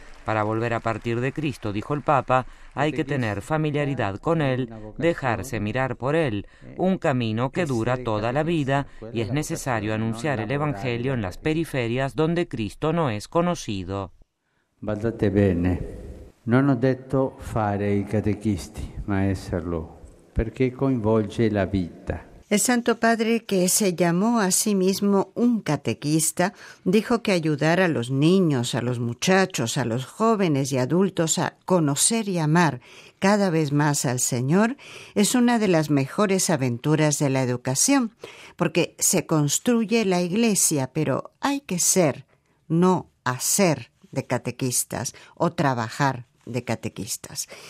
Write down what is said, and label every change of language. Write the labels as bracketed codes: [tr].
[es] Para volver a partir de Cristo, dijo el Papa, hay que tener familiaridad con Él, dejarse mirar por Él, un camino que dura toda la vida, y es necesario anunciar el Evangelio en las periferias donde Cristo no es conocido. [it] Badate bene. Non ho detto fare i catechisti, ma esserlo, perché coinvolge la vita. [es] El Santo Padre, que se llamó a sí mismo un catequista, dijo que ayudar a los niños, a los muchachos, a los jóvenes y adultos a conocer y amar cada vez más al Señor es una de las mejores aventuras de la educación, porque se construye la iglesia, pero hay que ser, no hacer de catequistas o trabajar de catequistas.